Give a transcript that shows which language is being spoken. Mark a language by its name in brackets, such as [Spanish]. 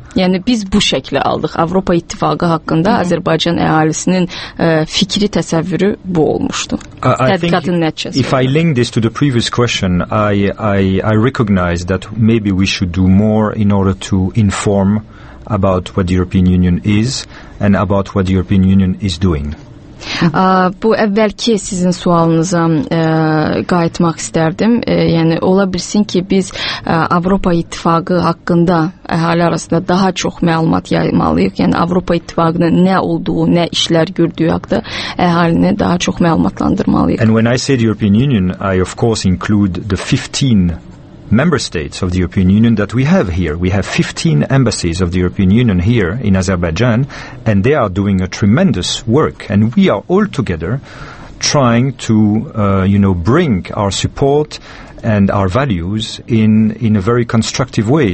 [Azerbaijani] Yəni, biz bu şəkli aldıq Avropa İttifaqı haqqında. Hı-hı. Azərbaycan əhalisinin fikri təsəvvürü bu olmuşdu. Tədqiqatın nəticəsi. [English] If I link this to the previous question, I recognize that maybe we should do more in order to inform about what the European Union is and about what the European Union is doing. [Azerbaijani] Bu əvvəlki sizin sualınıza qayıtmaq istərdim. Yəni, ola bilsin ki, biz Avropa İttifaqı haqqında əhali arasında daha çox məlumat yaymalıyıq. Yəni, Avropa İttifaqının nə olduğu, nə işlər gördüyü haqda əhalini daha çox məlumatlandırmalıyıq. [English] And when I say the European Union, I of course include the 15 member states of the European Union that we have here. We have 15 embassies of the European Union here in Azerbaijan, and they are doing a tremendous work, and we are all together trying to bring our support and our values in a very constructive way.